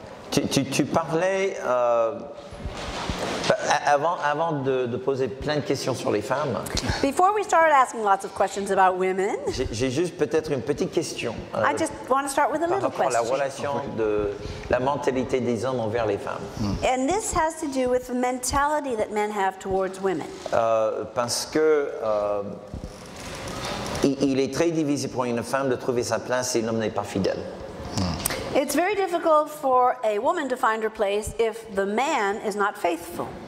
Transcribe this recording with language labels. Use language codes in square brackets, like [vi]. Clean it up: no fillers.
[fr] Tu parlais avant de poser plein de questions sur les femmes. [en] Before we started asking lots of questions about women. [fr] J'ai juste peut-être une petite question. [en] I just want to start with a little question. [fr] La relation de la mentalité des hommes envers les femmes. [en] And this has to do with the mentality that men have towards women. [fr] Parce que il est très difficile pour une femme de trouver sa place si l'homme n'est pas fidèle. [en] It's very difficult for a woman to find her place if the man is not faithful.